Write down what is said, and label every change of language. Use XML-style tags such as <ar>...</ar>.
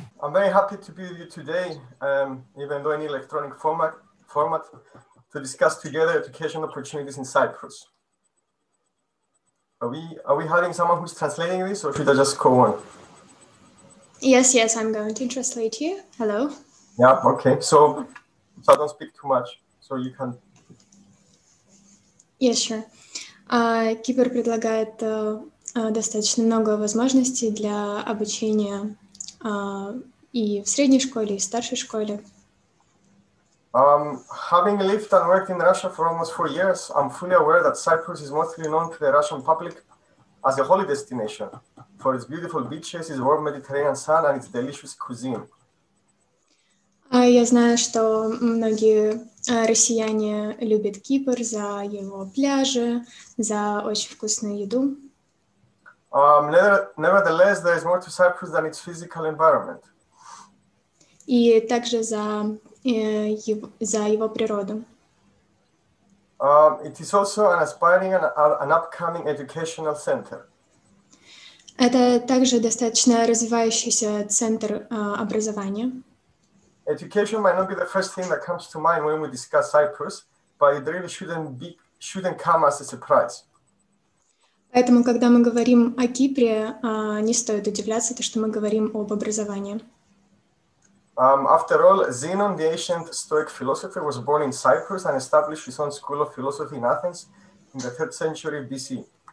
<en>very happy to be with you today, even though in electronic format, to discuss together education opportunities in Cyprus. Are we having someone who's translating this, or should I just call one? Yes, I'm going to translate you. Hello. Yeah, okay. So I don't speak too much, so you can. Yes, yeah, sure.</en> <ru>Кипр предлагает достаточно много возможностей для обучения и в средней школе, и в старшей школе.</ru> <en>Having lived and worked in Russia for almost 4 years, I'm fully aware that Cyprus is mostly known to the Russian public as a holy destination for its beautiful beaches, its warm Mediterranean sun, and its delicious cuisine.</en> <ru>Я знаю, что многие россияне любят Кипр за его пляжи, за очень вкусную еду.</ru> <en>Nevertheless, there is more to Cyprus than its physical environment.</en> <ru>И также за его природу.</ru> <en>It is also an aspiring and upcoming educational center.</en> <ru>Это также достаточно развивающийся центр образования.</ru> <en>Education might not be the first thing that comes to mind when we discuss Cyprus, but it really shouldn't come as a surprise.</en> <ru>Поэтому, когда мы говорим о Кипре, не стоит удивляться, то, что мы говорим об образовании.</ru> <en>After all, Zenon, the ancient Stoic philosopher, was born in Cyprus and established his own school of philosophy in Athens in the 3rd century BC.</en>